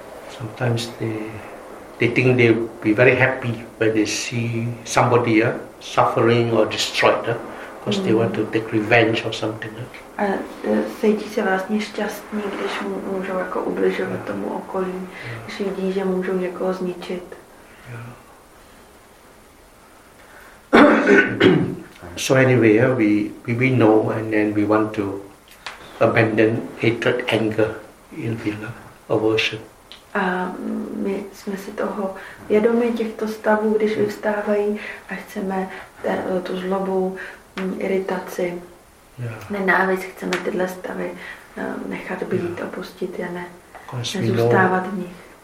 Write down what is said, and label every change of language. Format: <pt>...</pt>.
<en>Sometimes they think they'll be very happy when they see somebody suffering or destroyed, because they want to take revenge or something.</en> <cs>A cítí se vlastně šťastní, když můžou jako ubližovat tomu okolí, když vidí, že můžou někoho zničit.</cs> <en>So anyway, we know, and then we want to abandon hatred, anger, ill will, aversion.</en> <cs>A my jsme si toho vědomi těchto stavů, když vyvstávají, a chceme tu zlobu, iritaci, nenávist, chceme tyhle stavy nechat být, opustit je, nezůstávat v nich.</cs>